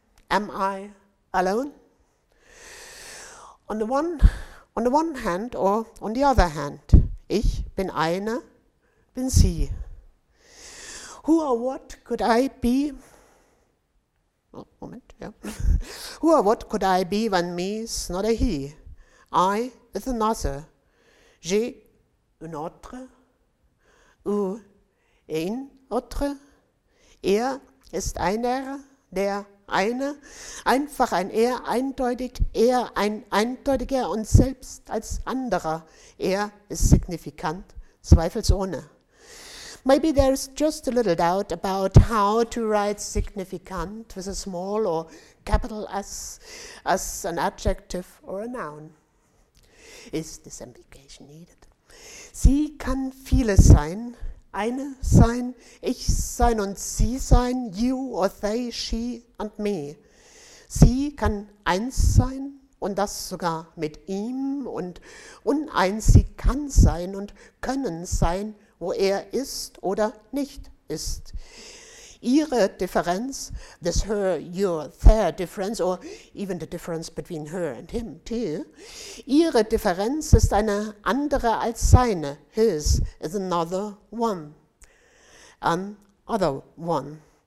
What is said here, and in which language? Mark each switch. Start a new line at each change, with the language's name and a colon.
English: Am I alone? On the one hand, or on the other hand,
German: ich bin eine, bin sie.
English: Who or what could I be? Oh, moment, yeah. Who or what could I be when me is not a he? I is another.
French: J'ai une autre.
German: Ou ein autre, er ist einer, der eine, einfach ein er, eindeutig, er ein eindeutiger und selbst als anderer, er ist signifikant, zweifelsohne.
English: Maybe there is just a little doubt about how to write significant with a small or capital S as an adjective or a noun. Is this ambiguity needed?
German: Sie kann vieles sein. Eine sein, ich sein und sie sein,
English: you or they, she and me.
German: Sie kann eins sein und das sogar mit ihm und uneins, sie kann sein und können sein, wo er ist oder nicht ist. Ihre Differenz,
English: this her, your, their difference, or even the difference between her and him, too.
German: Ihre Differenz ist eine andere als seine.
English: His is another one. An other one.